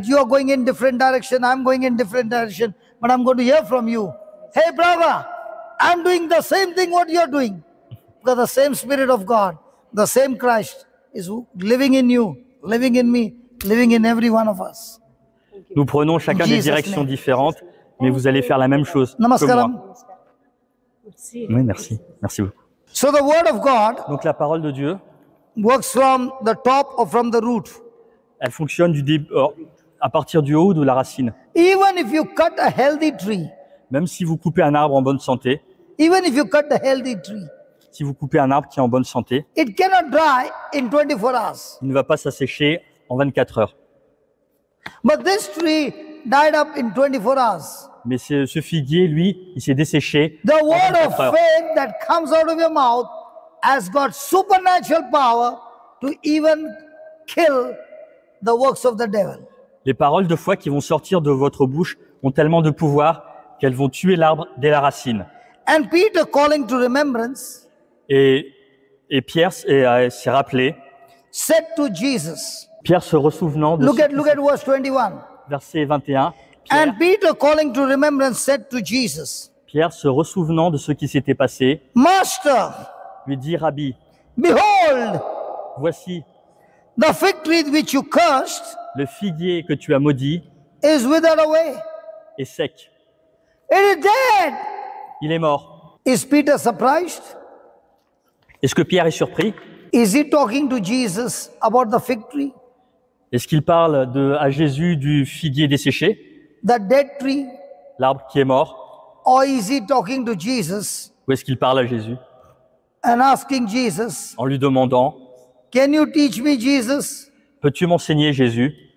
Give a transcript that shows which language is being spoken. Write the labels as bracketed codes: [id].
[en] That you are going in different direction, I'm going in different direction, but I'm going to hear from you. Hey brother, I'm doing the same thing what you're doing. Because the same Spirit of God, the same Christ is living in you. Living in me, living in every one of us. [fr] Nous prenons chacun des directions différentes, mais vous allez faire la même chose. Namaskaram. Que moi. Oui, merci. Merci beaucoup. [en] So the word of God. [fr] Donc la parole de Dieu. [en] Works from the top or from the root. [fr] Elle fonctionne du à partir du haut ou de la racine. [en] Even if you cut a healthy tree. [fr] Même si vous coupez un arbre en bonne santé. [en] Even if you cut a healthy tree. [fr] Si vous coupez un arbre qui est en bonne santé, [en] it cannot dry in 24 hours. [fr] Il ne va pas s'assécher en 24 heures. [en] But this tree died up in 24 hours. [fr] Mais ce figuier, lui, il s'est desséché [en] the [fr] en 24 heures. [en] The word of faith that comes out of your mouth has got supernatural power to even kill the works of the devil. [fr] Les paroles de foi qui vont sortir de votre bouche ont tellement de pouvoir qu'elles vont tuer l'arbre dès la racine. [en] And Peter calling to remembrance. [fr] Et Pierre s'est rappelé. [en] Said to Jesus. [fr] Pierre se ressouvenant de. [en] Look at verse 21. [fr] Verset 21. Pierre, [en] and Peter calling to remembrance said to Jesus. [fr] Pierre se ressouvenant de ce qui s'était passé. [en] Master. [fr] Lui dit Rabbi. [en] Behold. [fr] Voici. [en] The fig tree which you cursed. [fr] Le figuier que tu as maudit. [en] Is withered away. [fr] Est sec. [en] It is dead. [fr] Il est mort. [en] Is Peter surprised? [fr] Est-ce que Pierre est surpris? [en] Is he talking to Jesus about the fig tree? [fr] Est-ce qu'il parle à Jésus du figuier desséché? [en] The dead tree? [fr] L'arbre qui est mort? [en] Or is he talking to Jesus? [fr] Ou est-ce qu'il parle à Jésus? [en] And asking Jesus. [fr] En lui demandant. [en] Can you teach me, Jesus? [fr] Peux-tu m'enseigner, Jésus?